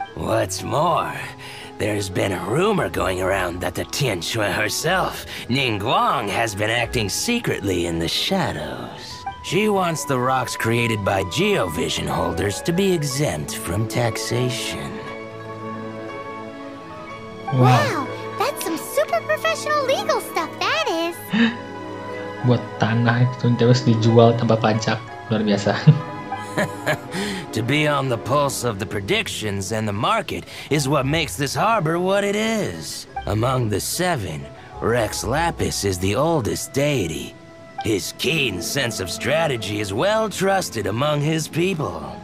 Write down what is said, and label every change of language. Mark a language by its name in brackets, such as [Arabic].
[English] What's more, there's been a rumor going around that the Tianxue herself, Ningguang, has been acting secretly in the shadows. She wants the rocks created by Geovision holders to be exempt from taxation. Wow, that's some super professional legal stuff, that is. [Indonesian] Buat tanah itu terus dijual tanpa pajak, luar biasa. [English] To be on the pulse of the predictions and the market is what makes this harbor what it is. Among the seven, Rex Lapis is the oldest deity. His keen sense of strategy is well trusted among his people.